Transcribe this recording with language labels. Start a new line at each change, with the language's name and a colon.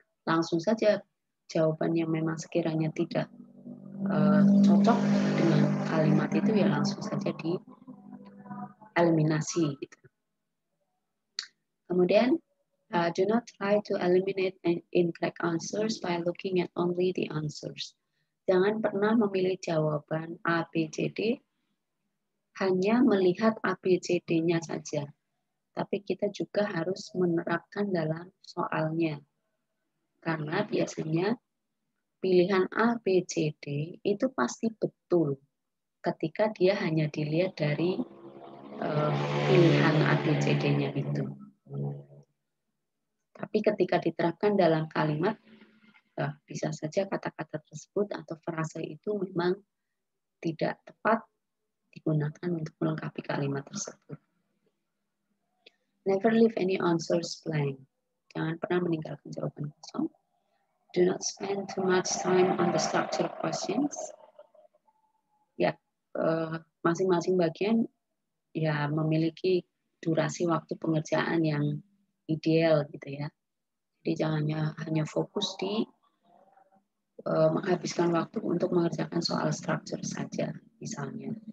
Indonesian: Langsung saja jawaban yang memang sekiranya tidak cocok dengan kalimat itu, ya langsung saja dieliminasi. Gitu. Kemudian,
English: do not try to eliminate incorrect answers by looking at only the answers.
Indonesian: Jangan pernah memilih jawaban A, B, C, D, hanya melihat A, B, C, D-nya saja. Tapi kita juga harus menerapkan dalam soalnya. Karena biasanya pilihan A, B, C, D itu pasti betul ketika dia hanya dilihat dari pilihan A, B, C, D-nya itu. Tapi ketika diterapkan dalam kalimat, bisa saja kata-kata tersebut atau frasa itu memang tidak tepat digunakan untuk melengkapi kalimat tersebut.
English: Never leave any answers blank.
Indonesian: Jangan pernah meninggalkan jawaban kosong.
English: Do not spend too much time on the structure questions.
Indonesian: Ya, masing-masing bagian ya memiliki durasi waktu pengerjaan yang ideal gitu ya. Jadi jangan hanya fokus di menghabiskan waktu untuk mengerjakan soal structure saja misalnya.